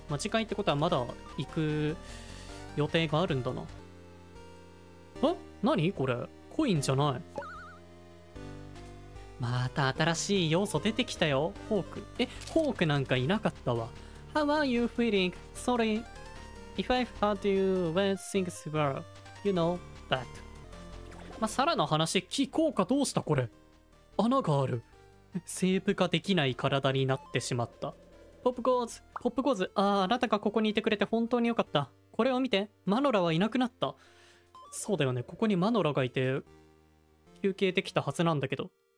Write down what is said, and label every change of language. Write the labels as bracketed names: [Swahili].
[Japanese] まあ、次回ってことは、まだ行く予定があるんだな。あ、何これ。コインじゃない。また新しい要素出てきたよ。ホーク。え、ホークなんかいなかったわ。 [English] How are you feeling? Sorry. If I had you when things were, you know, bad. [Japanese] まあ、サラの話聞こうか。どうしたこれ。穴がある。セーブができない体になってしまった。ポップゴーズ、ポップゴーズ、ああ、あなたがここにいてくれて本当によかった。これを見て、マノラはいなくなった。そうだよね、ここにマノラがいて、休憩できたはずなんだけど。